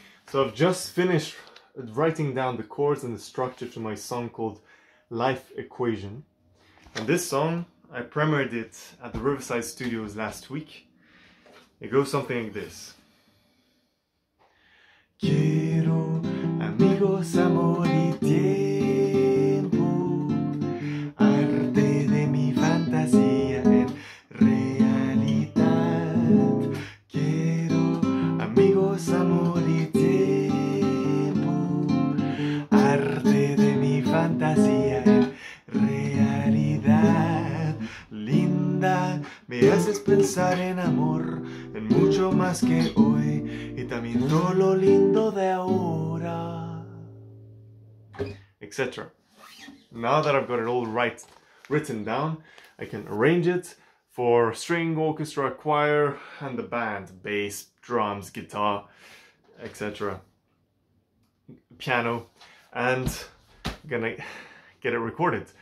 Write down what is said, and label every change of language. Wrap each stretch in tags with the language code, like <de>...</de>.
<en>So I've just finished writing down the chords and the structure to my song called Life Equation. And this song, I premiered it at the Riverside Studios last week. It goes something like this.</en> <es>Quiero amigos, amor y tiempo, arte de mi fantasía en realidad. Quiero amigos, amor y tiempo, arte de mi fantasía en realidad. Linda, me haces pensar en amor, en mucho más que hoy. También todo lo lindo de ahora, etc.</es> <en>Now that I've got it all written down, I can arrange it for string, orchestra, choir, and the band, bass, drums, guitar, etc. Piano, and I'm gonna get it recorded.</en>